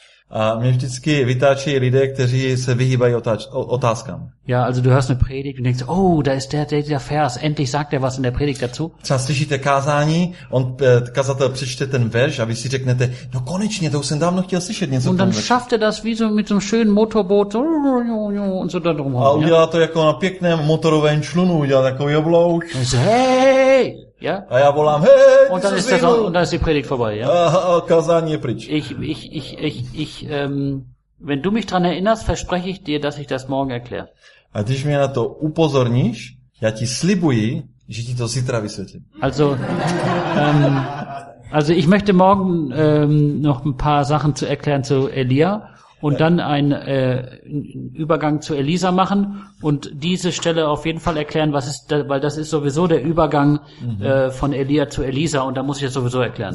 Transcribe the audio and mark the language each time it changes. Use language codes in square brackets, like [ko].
[cs] A mě vždycky vytáčí lidé, kteří se vyhýbají otázkám. [de] Ja, also du hörst eine Predigt und denkst, oh, da ist der Vers, endlich sagt er was in der Predigt dazu. [cs] Třeba slyšíte kázání, on kazatel přečte ten verš a vy si řeknete, no konečně, to už jsem dávno chtěl slyšet něco. [de] Und dann schafft er das wie so mit so einem schönen Motorboot und so da drum. [cs] A udělá to jako na pěkném motorovém člunu, udělá takový oblouk. Hej! Ja? A já volám, hey, [de] und dann ist das und dann ist die Predigt vorbei, ja? [cs] Kazání je pryč. [de] Wenn du mich dran erinnerst, verspreche ich dir, dass ich das morgen erkläre. [cs] A když mě na to upozorníš, já ti slibuji, že ti to zítra vysvětlím. [de] Also ich möchte morgen noch ein paar Sachen zu erklären zu Elia und dann einen Übergang zu Elisa machen und diese Stelle auf jeden Fall erklären, was ist da, weil das ist sowieso der Übergang von Elia zu Elisa und da muss ich das sowieso erklären.